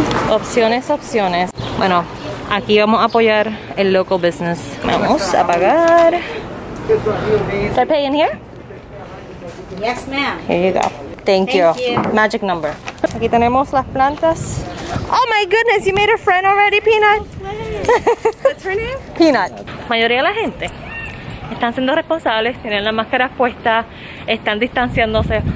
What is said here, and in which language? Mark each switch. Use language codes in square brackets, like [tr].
[es] Opciones. Bueno, aquí vamos a apoyar el local business. Vamos a pagar. ¿Está pagando aquí? [en] Yes, ma'am. Here you go. Thank you. Magic number. Aquí tenemos las plantas. Oh my goodness, you made a friend already, Peanut. What's her name? Peanut. [es] La mayoría de la gente están siendo responsables, tienen las máscaras puestas, están distanciándose.